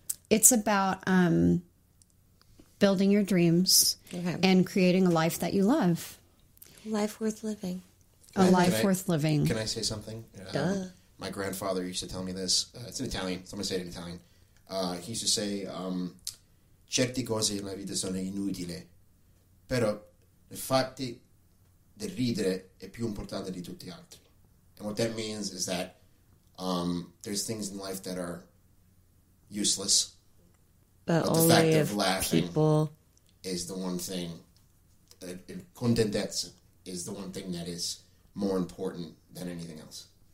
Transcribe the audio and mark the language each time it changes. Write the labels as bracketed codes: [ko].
[en] It's about building your dreams, okay, and creating a life that you love. Life worth living. A life worth living. Can I say something? Duh. My grandfather used to tell me this. It's in Italian, so I'm going to say it in Italian. He used to say, [it] certe cose nella vita sono inutili, però il fatto di ridere è più importante di tutti gli altri. [en] And what that means is that there's things in life that are useless, but the fact of laughing is the one thing. Contentezza is the one thing that is more important than anything else.